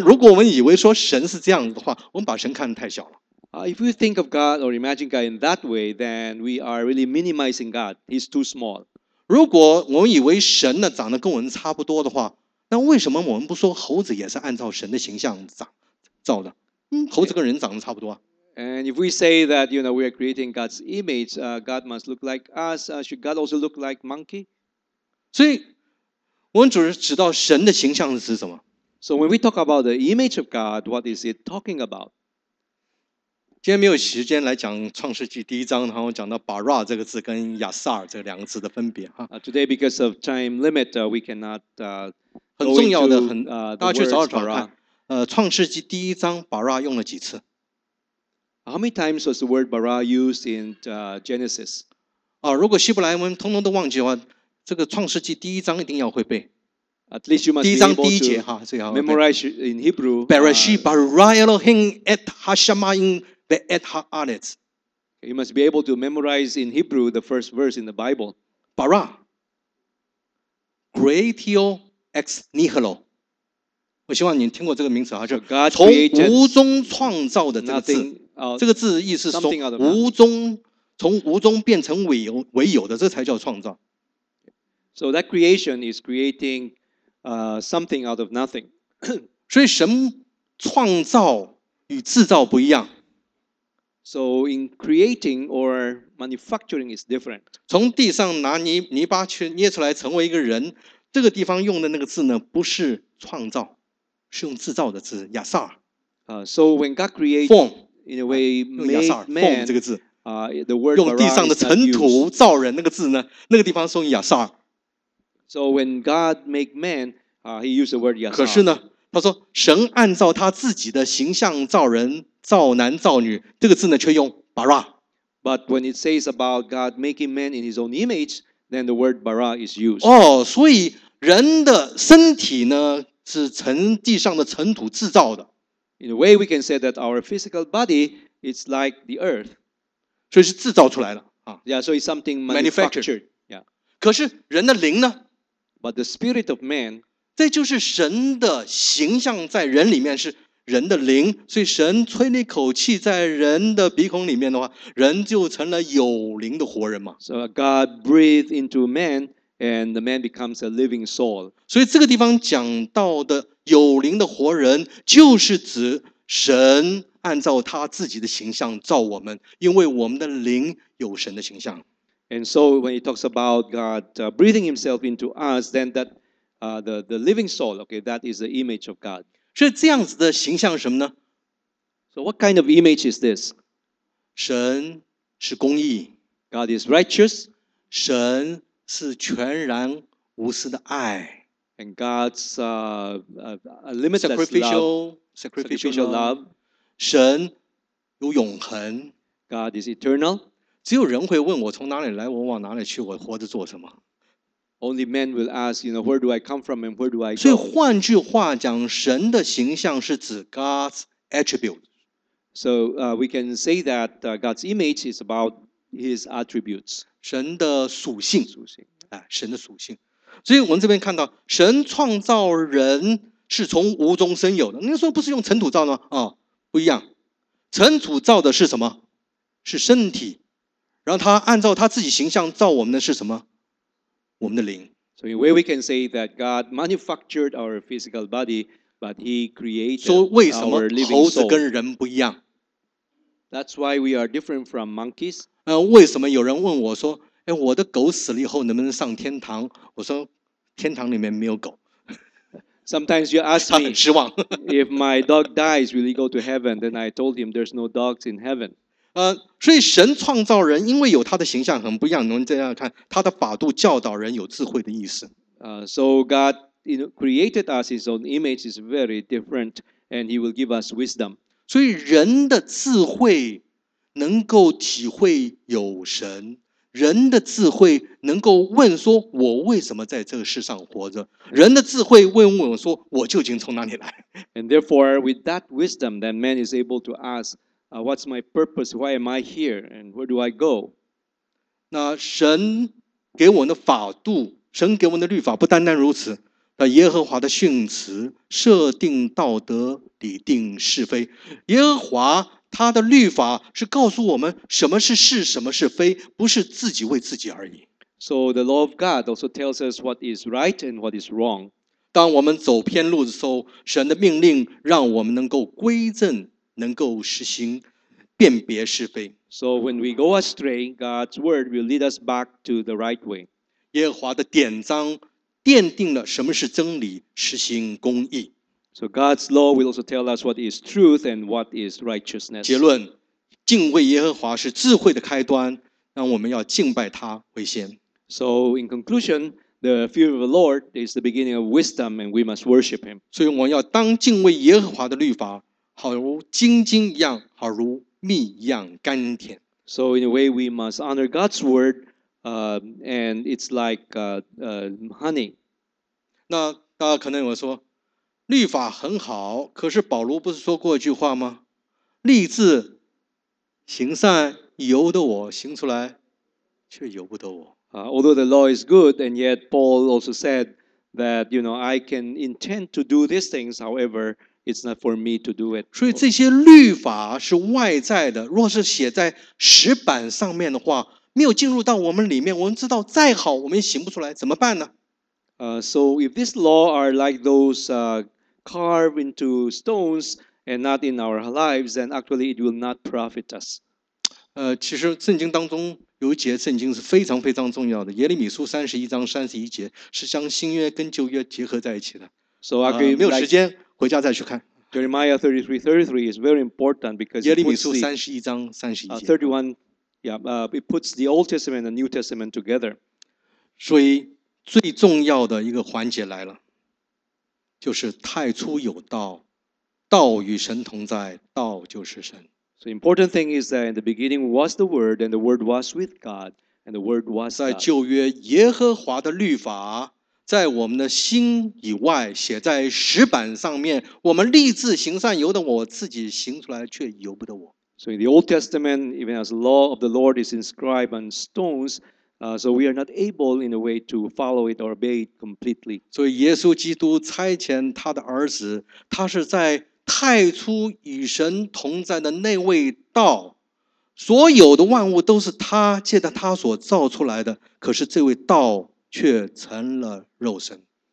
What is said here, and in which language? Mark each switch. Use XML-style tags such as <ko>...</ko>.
<zh>如果我们以为说神是这样的话，我们把神看得太小了。</zh> <en>If we think of God or imagine God in that way, then we are really minimizing God. He's too small.</en> <zh>如果我们以为神呢长得跟我们差不多的话，那为什么我们不说猴子也是按照神的形象长造的？猴子跟人长得差不多啊。</zh> <en>And if we say that, you know, we are creating God's image, God must look like us. Should God also look like monkey?</en> <zh>所以，我们主要知道神的形象是什么。</zh> <en>So when we talk about the image of God, what is it talking about?</en> <zh>今天没有时间来讲创世纪第一章，然后讲到 bara 这个字跟亚萨尔这两个字的分别。</zh> <en>Today, because of time limit, we cannot.</en> <zh>很重要的，很大家去找找看。创世纪第一章 bara 用了几次？</zh> <en>How many times was the word bara used in Genesis?</en> <zh>如果希伯来文通通都忘记的话，这个创世纪第一章一定要会背。</zh> <en>At least you must</en> <zh>第一章第一节哈，最好</zh> <en>memorize in Hebrew.</en> <he>Bereshit bara Elohim et hashamayim ve et haaretz.</he> <en>You must be able to memorize in Hebrew the first verse in the Bible.</en> <la>Bara, creatio ex nihilo.</la> <zh>我希望你听过这个名词哈，就从无中创造的这个字，这个字意思是无中，从无中变成为有的，这才叫创造。</zh> <en>So that creation is creating something out of nothing.</en> <zh>所以神创造与制造不一样。</zh> <en>So in creating or manufacturing is different.</en> <zh>从地上拿泥巴去捏出来成为一个人，这个地方用的那个字呢，不是创造。是用制造的字亚萨尔。</zh> <en>So when God created form, in a way made man,</en> <zh>这个字</zh> <en>the word</en> <zh>用地上的尘土造人那个字呢，那个地方是用亚萨尔。</zh> <en>So when God made man, he used the word 亚萨尔。</en> <zh>可是呢，他说神按照他自己的形象造人，造男造女，这个字呢却用 bara。</zh> <en>But when it says about God making man in his own image, then the word bara is used.</en> <zh>所以人的身体呢？是从地上的尘土制造的。</zh> <en>In a way, we can say that our physical body is like the earth.</en> <zh>所以是制造出来的。</zh> <en>Yeah, so it's something manufactured. Yeah.</en> <zh>可是人的灵呢？</zh> <en>But the spirit of man,</en> <zh>这就是神的形象在人里面，是人的灵。所以神吹那口气在人的鼻孔里面的话，人就成了有灵的活人嘛。</zh> <en>So God breathed into man. And the man becomes a living soul.</en> <zh>所以这个地方讲到的有灵的活人，就是指神按照他自己的形象造我们，因为我们的灵有神的形象。</zh> <en>And so when he talks about God breathing himself into us, then that the living soul, okay, that is the image of God.</en> <zh>所以这样子的形象是什么呢？</zh> <en>So what kind of image is this?</en> <zh>神是公义。</zh> <en>God is righteous.</en> <zh>神是全然无私的爱</zh> <en>，and God's limitless sacrificial love，</en> <zh>神有永恒</zh> <en>，God is eternal。</en> <zh>只有人会问我从哪里来，我往哪里去，我活着做什么</zh> <en>？Only man will ask， you know， where do I come from and where do I go？</en> <zh>所以换句话讲，神的形象是指</zh> <en>God's attribute。 So we can say that God's image is about His attributes。</en> <zh>神的属性，属性，神的属性。所以我们这边看到，神创造人是从无中生有的。你说不是用尘土造的吗？不一样。尘土造的是什么？是身体。然后他按照他自己形象造我们的是什么？我们的灵。</zh> <en>So in a way we can say that God manufactured our physical body, but He created our living soul.</en> <zh>为什么猴子跟人不一样？</zh> <en>That's why we are different from monkeys.</en> <zh>为什么有人问我说，我的狗死了以后能不能上天堂？我说，天堂里面没有狗。</zh> <en>Sometimes you ask me,</en> <zh>他很失望。</zh> <en>If my dog dies, will he go to heaven? Then I told him there's no dogs in heaven.</en> <zh>所以神创造人，因为有他的形象很不一样。我们这样看，他的法度教导人有智慧的意思。</zh> <en>So God created us His own image is very different, and He will give us wisdom.</en> <zh>所以人的智慧能够体会有神，人的智慧能够问说我为什么在这个世上活着，人的智慧问我说我究竟从哪里来。</zh> <en>And therefore with that wisdom that man is able to ask what's my purpose, why am I here and where do I go?</en> <zh>那神给我们的法度，神给我们的律法不单单如此，耶和华的训词设定道德，理定是非。耶和华他的律法是告诉我们什么是是，什么是非，不是自己为自己而已。</zh> <en>So the law of God also tells us what is right and what is wrong.</en> <zh>当我们走偏路的时候，神的命令让我们能够归正，能够实行，辨别是非。</zh> <en>So when we go astray, God's word will lead us back to the right way.</en> <zh>耶和华的典章奠定了什么是真理，实行公义。</zh> <en>So God's law will also tell us what is truth and what is righteousness.</en> <zh>结论，敬畏耶和华是智慧的开端，让我们要敬拜他为先。</zh> <en>So in conclusion, the fear of the Lord is the beginning of wisdom, and we must worship Him.</en> <zh>所以我们要当敬畏耶和华的律法，好如金经一样，好如蜜一样甘甜。</zh> <en>So in a way, we must honor God's word, and it's like honey.</en> <zh>那大家可能有说，律法很好，可是保罗不是说过一句话吗？立志行善，由得我行出来，却由不得我。</zh> <en>Although the law is good, and yet Paul also said that, you know, I can intend to do these things, however, it's not for me to do it.</en> <zh>所以这些律法是外在的，若是写在石板上面的话，没有进入到我们里面，我们知道再好我们也行不出来，怎么办呢？</zh> <en>So if this law are like those carved into stones and not in our lives, then actually it will not profit us.</en> <zh>其实圣经当中有一节圣经是非常非常重要的，耶利米书三十一章三十一节是将新约跟旧约结合在一起的。</zh> <en>So I agree,</en> <zh>没有时间回家再去看。</zh> <en>Jeremiah 33:33 is very important because</en> <zh>耶利米书三十一章三十一节。</zh> <en>It puts the Old Testament and the New Testament together.</en> <zh>所以最重要的一个环节来了，就是太初有道，道与神同在，道就是神。</zh> <en>So the important thing is that in the beginning was the Word, and the Word was with God, and the Word was God.</en> <zh>在旧约，耶和华的律法在我们的心以外，写在石板上面。我们立志行善，由得我自己行出来，却由不得我。</zh> <en>So in the Old Testament, even as the law of the Lord is inscribed on stones, so we are not able in a way to follow it or obey it completely.</en> <zh>所以耶稣基督差遣他的儿子，他是在太初与神同在的那位道，所有的万物都是他借着他所造出来的，可是这位道却成了肉身。</zh>